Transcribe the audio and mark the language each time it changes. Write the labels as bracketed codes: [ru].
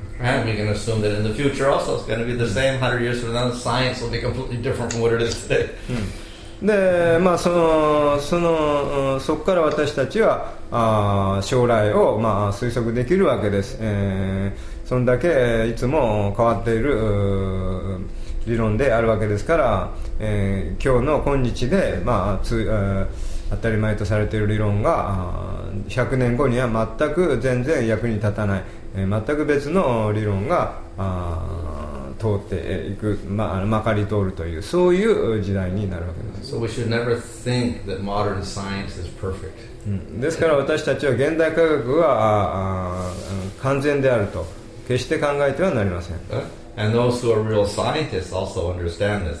[en] And we can assume that in the future also it's going to be the same 100 years from now, science will be completely different from what it is today. [ja] で、そこから私たちは将来を推測できるわけです。そんだけいつも変わっている理論であるわけですから、今日の今日で、当たり前とされている理論が100年後には全く全然役に立たない、全く別の理論が通っていく、まかり通るという、そういう時代になるわけです。 [en] So we should never think that modern science is perfect. [ja] ですから私たちは現代科学が完全であると決して考えてはなりません。 [en] And those who are real scientists also understand this.